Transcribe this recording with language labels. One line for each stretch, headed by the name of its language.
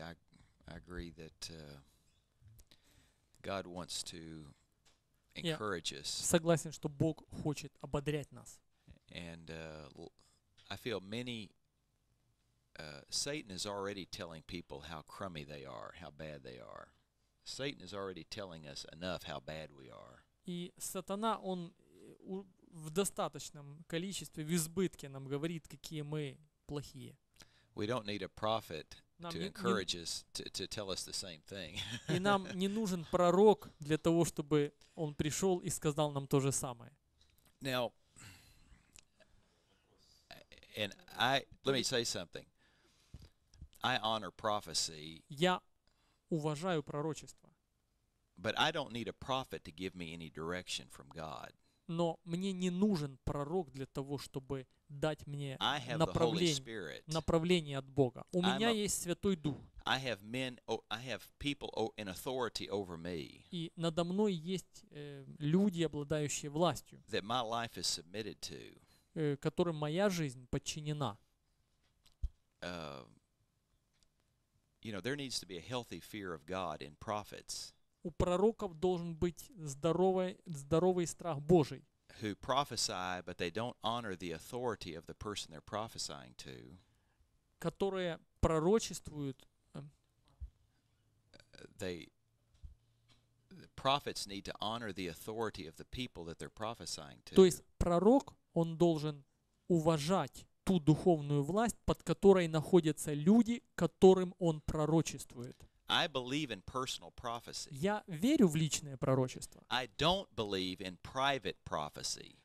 English: I agree that God wants to encourage us.
Russian: Согласен, что Бог хочет ободрять нас.
English: And I feel many Satan is already telling people how crummy they are, how bad they are. Satan is already telling us enough how bad we are.
Russian: И сатана, он в достаточном количестве, в избытке нам говорит, какие мы плохие.
English: We don't need a prophet to encourage us to tell us the same thing.
Russian: И нам не нужен пророк для того, чтобы он пришел и сказал нам то же самое.
English: Now, and I let me say something. I honor prophecy.
Russian: Я уважаю пророчество.
English: But I don't need a prophet to give me any direction from God.
Russian: Но мне не нужен пророк для того, чтобы дать мне направление от Бога. У меня есть Святой Дух.
English: I have men, I have people in authority over me.
Russian: И надо мной есть люди, обладающие властью.
English: That my life is submitted to.
Russian: Которым моя жизнь подчинена.
English: You know, there needs to be a healthy fear of God in prophets.
Russian: У пророков должен быть здоровый страх Божий.
English: Who prophesy, but they don't honor the authority of the person they're prophesying to.
Russian: Которые пророчествуют.
English: The prophets need to honor the authority of the people that they're prophesying to.
Russian: То есть пророк, он должен уважать ту духовную власть, под которой находятся люди, которым он пророчествует.
English: I believe in personal prophecy.
Russian: Я верю в личное пророчество.
English: I don't believe in private prophecy.